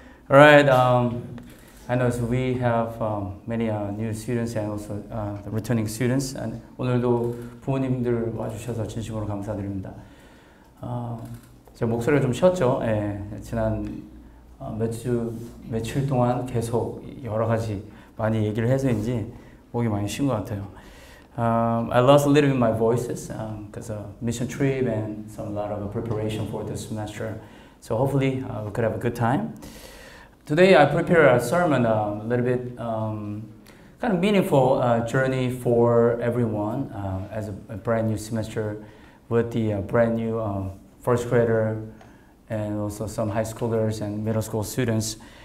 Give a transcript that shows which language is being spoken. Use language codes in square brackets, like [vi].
[en] All right, I know so we have many new students and also the returning students. [ko] And 오늘도 부모님들 와주셔서 진심으로 감사드립니다. 제 목소리가 좀 쉬었죠. 예, 지난 며칠 동안 계속 여러 가지 많이 얘기를 해서인지 목이 많이 쉰 것 같아요. [en] I lost a little bit of my voices because of mission trip and some lot of preparation for this semester. So hopefully we could have a good time. Today I prepare a sermon, a little bit kind of meaningful journey for everyone as a brand new semester with the brand new first grader and also some high schoolers and middle school students.